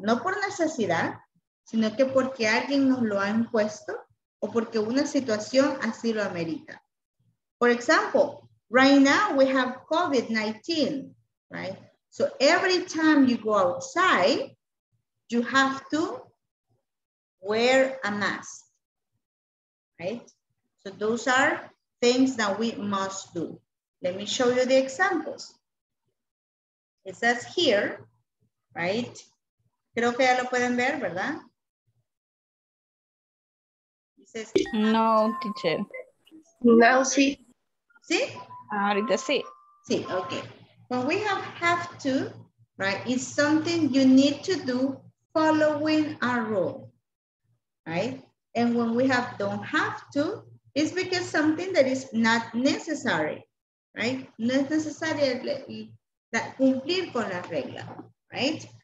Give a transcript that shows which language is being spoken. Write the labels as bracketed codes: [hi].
[es] No por necesidad, sino que porque alguien nos lo ha impuesto o porque una situación así lo amerita. [en] For example, right now we have COVID-19, right? So every time you go outside, you have to wear a mask. Right? So those are things that we must do. Let me show you the examples. It says here, right? [es] Creo que ya lo pueden ver, ¿verdad? [en] It says, no, teacher. [es] No, sí. ¿Sí? Ahorita sí. [en] Sí, okay. When we have to, right, it's something you need to do following a rule, right? And when we have don't have to, it's because something that is not necessary, right? [es] No es necesario cumplir con la regla, right?